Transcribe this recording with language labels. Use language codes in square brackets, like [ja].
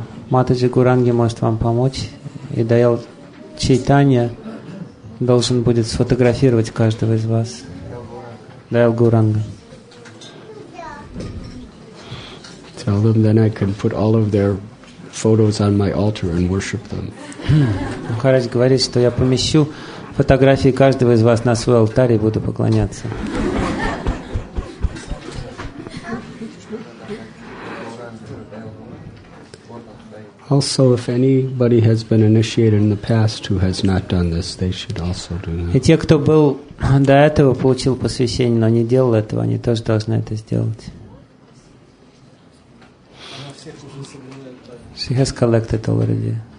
[ru] Матаджи Гуранги может вам помочь, и Даял Чайтанья должен будет сфотографировать каждого из вас. Даял Гуранга. [en] Tell them then I can put all of their photos on my altar and worship them. [ru] Махарадж говорит, что я помещу фотографии каждого из вас на свой алтарь и буду поклоняться. [en] Also, if anybody has been initiated in the past who has not done this, they should also do that. [ru] И те, кто был до этого, получил посвящение, но не делал этого, они тоже должны это сделать. [en] She has collected already.